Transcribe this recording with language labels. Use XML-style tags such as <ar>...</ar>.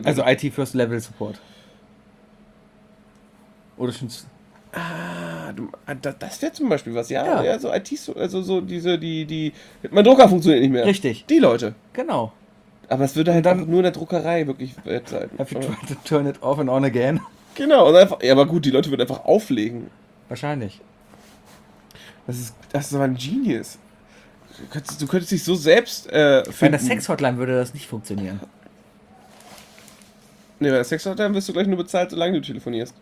<de>will. Also IT First Level Support. Oder schon. Ah, Das wäre zum Beispiel was, ja. So ITs, also so diese, die. Mein Drucker funktioniert nicht mehr. Richtig. Die Leute. Genau. Aber es würde halt dann nur in der Druckerei wirklich wert sein.</de> <en>Have you tried to turn it off and on again?</en> <de>Genau, und einfach, ja, aber gut, die Leute würden einfach auflegen. Wahrscheinlich. Das ist aber ein Genius. Du könntest dich so selbst finden. Bei der Sex-Hotline würde das nicht funktionieren. Nee, bei der Sex-Hotline wirst du gleich nur bezahlt, solange du telefonierst.</de>